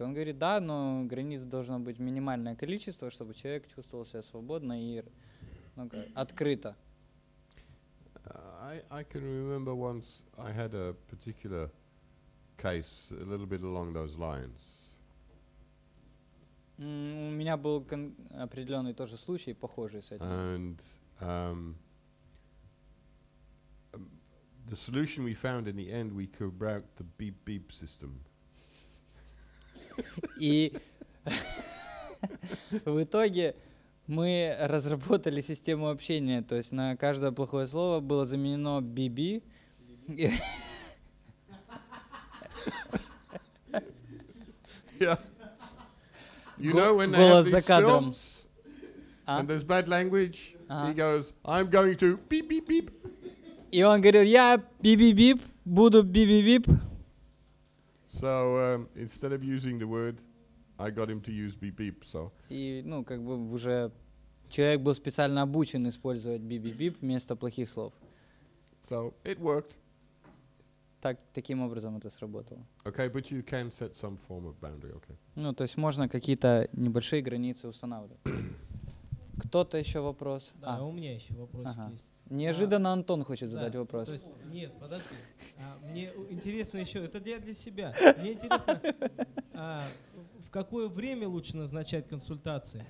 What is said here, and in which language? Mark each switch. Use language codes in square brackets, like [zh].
[ru] Он говорит, да, но границ должно быть минимальное количество, чтобы человек чувствовал себя свободно и открыто. [en] I can remember once I had a particular case a little bit along those lines. [ru] У меня был определенный тоже случай, похожий с этим. [en] And the solution we found in the end, we could break the beep beep system. [ru] И в итоге мы разработали систему общения, то есть на каждое плохое слово было заменено биби. [en] You know when they have these films and there's bad language, he goes, I'm going to beep beep beep. [ru] И он говорил, я beep beep beep буду beep beep beep. [en] So instead of using the word, I got him to use beep beep. So. [ru] И ну как бы уже человек был специально обучен использовать beep beep beep вместо плохих слов. [en] So it worked. [ru] Таким образом это сработало. [en] Okay, but you can set some form of boundary. Okay. [ru] Ну то есть можно какие-то небольшие границы устанавливать. Кто-то еще вопрос? Да, у меня еще вопросик есть. Неожиданно Антон хочет задать вопрос. То есть, нет, подожди. Мне интересно еще, это я для себя. Мне интересно, в какое время лучше назначать консультации?